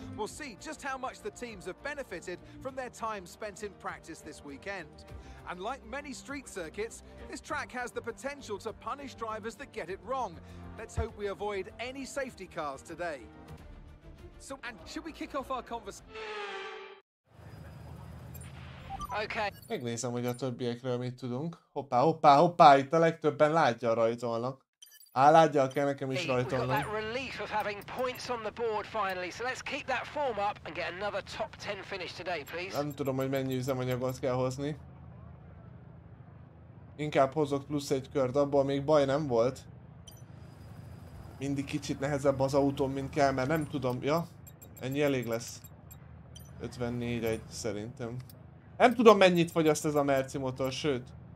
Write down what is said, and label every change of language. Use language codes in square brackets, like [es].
[en] We'll see just how much the teams have benefited from their time spent in practice this weekend. And like many street circuits, this track has the potential to punish drivers that get it wrong. Let's hope we avoid any safety cars today. So, and should we kick off our conversation? Okay. [hu] Megnézem, hogy a többiekről mit tudunk. Hoppá, hoppá, hoppá, itt a legtöbben látja a rajtolnak. Á, látja, kell nekem is rajtolnak. [en] We've got that relief of having points on the board finally, so let's keep that form up and get another top 10 finish today, please. [hu] Nem tudom, hogy mennyi üzemanyagot kell hozni. Inkább hozok plusz egy kört, abból még baj nem volt. Mindig kicsit nehezebb az autó, mint kell, mert nem tudom, ja? Ennyi elég lesz. 54-1 szerintem. Nem tudom, mennyit fogyaszt ez a Merci motor, sőt.